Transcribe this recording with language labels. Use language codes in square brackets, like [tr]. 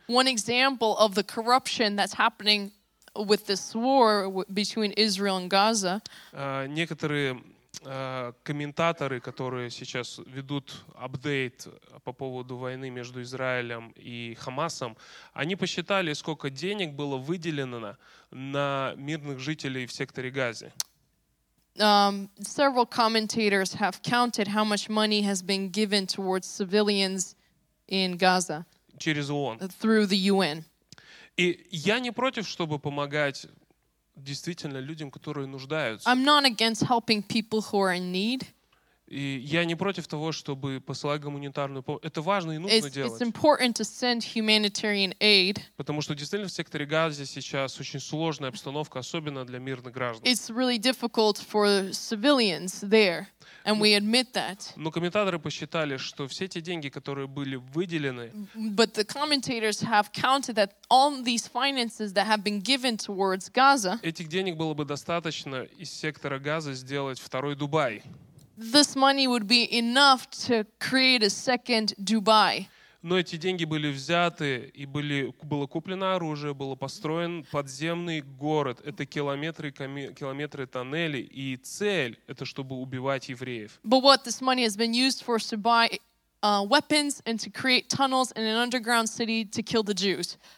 [en] One example of the corruption that's happening with this war between Israel and Gaza. [ru] Некоторые комментаторы, которые сейчас ведут апдейт по поводу войны между Израилем и Хамасом, они посчитали, сколько денег было выделено на мирных жителей в секторе Газы. [en] Several commentators have counted how much money has been given towards civilians in Gaza. [ru] Через ООН. [en] Through the UN. [ru] И я не против, чтобы помогать действительно людям, которые нуждаются. [en] I'm not against helping people who are in need. [ru] И я не против того, чтобы посылать гуманитарную помощь. Это важно и нужно делать. [en] It's important to send humanitarian aid. [ru] Потому что действительно в секторе Газа сейчас очень сложная обстановка, особенно для мирных граждан. [en] It's really difficult for civilians there, and we admit that. [ru] Но комментаторы посчитали, что все те деньги, которые были выделены, [en] but the commentators have counted that all these finances that have been given towards Gaza, [ru] этих денег было бы достаточно из сектора Газа сделать второй Дубай. [en] This money would be enough to create a second Dubai. [ru] Но эти деньги были взяты и было куплено оружие, был построен подземный город. Это километры тоннелей, и цель это чтобы убивать евреев. [en] But what this money has been used for is to buy weapons and to create tunnels and an underground city to kill the Jews.